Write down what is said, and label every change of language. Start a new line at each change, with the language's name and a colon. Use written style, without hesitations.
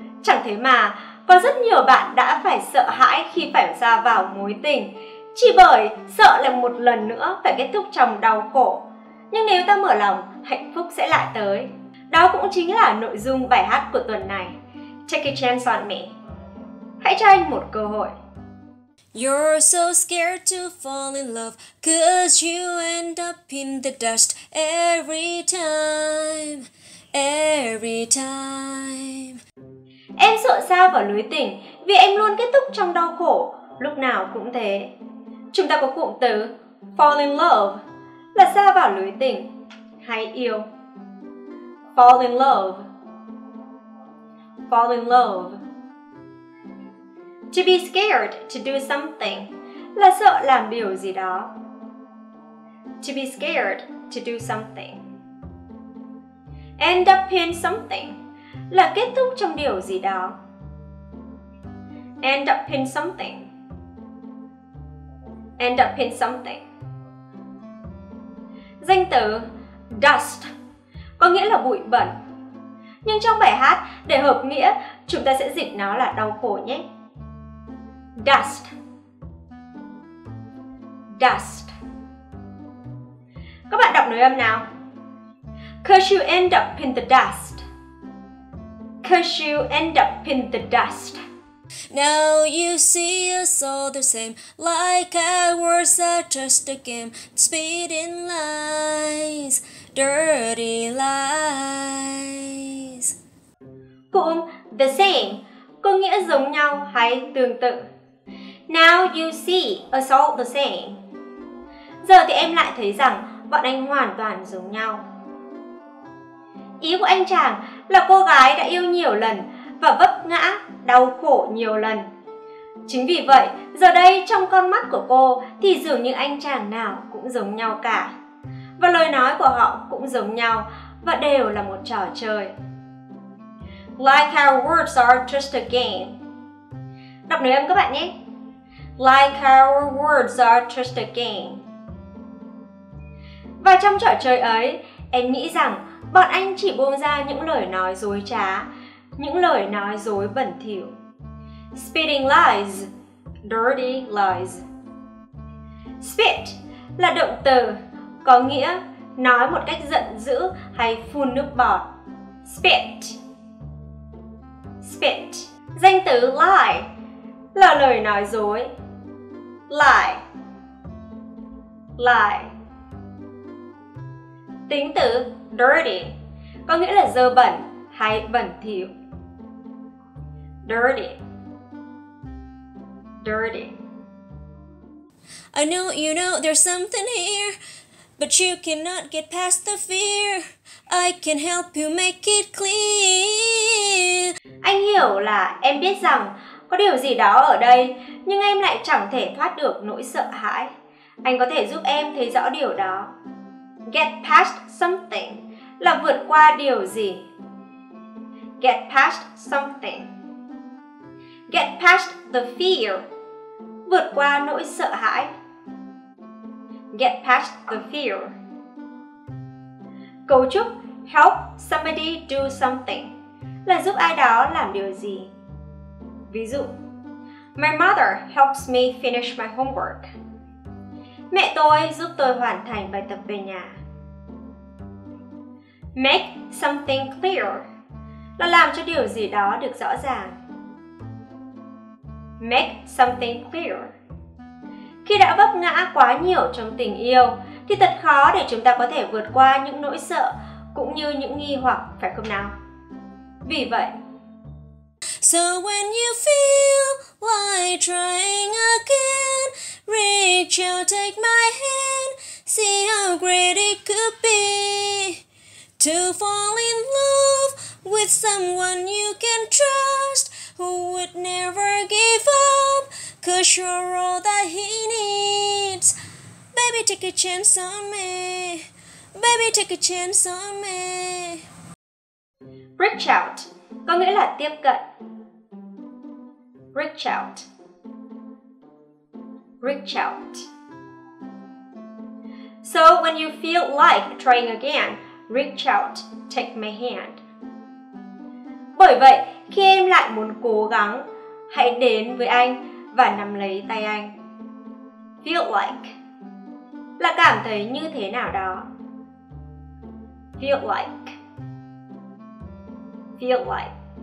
Vietnamese: Chẳng thế mà, có rất nhiều bạn đã phải sợ hãi khi phải ra vào mối tình, chỉ bởi sợ là một lần nữa phải kết thúc trong đau khổ. Nhưng nếu ta mở lòng, hạnh phúc sẽ lại tới. Đó cũng chính là nội dung bài hát của tuần này, Take a Chance on Me. Hãy cho anh một cơ hội.
English: You're so scared to fall in love, 'cause you end up in the dust every time, every time.
Vietnamese: Em sợ sa vào lưới tình vì em luôn kết thúc trong đau khổ, lúc nào cũng thế. Chúng ta có cụm từ
English: fall in love
Vietnamese: là sa vào lưới tình hay yêu.
English: Fall in love, fall in love. To be scared to do something
Vietnamese: là sợ làm điều gì đó.
English: To be scared to do something. End up in something
Vietnamese: là kết thúc trong điều gì đó.
English: End up in something. End up in something.
Vietnamese: Danh từ dust có nghĩa là bụi bẩn. Nhưng trong bài hát, để hợp nghĩa, chúng ta sẽ dịch nó là đau khổ nhé.
English: Dust, dust.
Vietnamese: Các bạn đọc nối âm nào.
English: 'Cause you end up in the dust. 'Cause you end up in the dust. Now you see us all the same, like ours are just a game, spitting lies, dirty lies.
Vietnamese: Cụm
English: the same
Vietnamese: có nghĩa giống nhau hay tương tự.
English: Now you see us all the same.
Vietnamese: Giờ thì em lại thấy rằng bọn anh hoàn toàn giống nhau. Ý của anh chàng là cô gái đã yêu nhiều lần và vấp ngã, đau khổ nhiều lần. Chính vì vậy, giờ đây trong con mắt của cô thì dường như anh chàng nào cũng giống nhau cả. Và lời nói của họ cũng giống nhau và đều là một trò chơi.
English: Like our words are just a game.
Vietnamese: Đọc nối âm các bạn nhé.
English: Like our words are just a game.
Vietnamese: Và trong trò chơi ấy, em nghĩ rằng bọn anh chỉ buông ra những lời nói dối trá, những lời nói dối bẩn thỉu.
English: Spitting lies, dirty lies. Spit
Vietnamese: là động từ, có nghĩa nói một cách giận dữ hay phun nước bọt.
English: Spit, spit.
Vietnamese: Danh từ lie là lời nói dối.
English: Lie, lie.
Vietnamese: Tính từ dirty có nghĩa là dơ bẩn hay bẩn thỉu.
English: Dirty, dirty. I know you know there's something here, but you cannot get past the fear. I can help you make it clear.
Vietnamese: Anh hiểu là em biết rằng có điều gì đó ở đây, nhưng em lại chẳng thể thoát được nỗi sợ hãi. Anh có thể giúp em thấy rõ điều đó.
English: Get past something
Vietnamese: là vượt qua điều gì.
English: Get past something. Get past the fear,
Vietnamese: vượt qua nỗi sợ hãi.
English: Get past the fear.
Vietnamese: Cấu trúc
English: help somebody do something
Vietnamese: là giúp ai đó làm điều gì. Ví dụ,
English: my mother helps me finish my homework.
Vietnamese: Mẹ tôi giúp tôi hoàn thành bài tập về nhà.
English: Make something clear
Vietnamese: là làm cho điều gì đó được rõ ràng. Make something clear. Khi đã vấp ngã quá nhiều trong tình yêu thì thật khó để chúng ta có thể vượt qua những nỗi sợ cũng như những nghi hoặc, phải không nào? Vì vậy,
English: so when you feel like trying again, reach out, take my hand, see how great it could be to fall in love with someone you can trust, who would never give up, 'cause you're all that he needs. Baby, take a chance on me. Baby, take a chance on me. Reach out
Vietnamese: có nghĩa là tiếp cận.
English: Reach out. Reach out. So when you feel like trying again, reach out, take my hand.
Vietnamese: Bởi vậy, khi em lại muốn cố gắng, hãy đến với anh và nắm lấy tay anh.
English: Feel like
Vietnamese: là cảm thấy như thế nào đó. Feel like.
English: Feel like.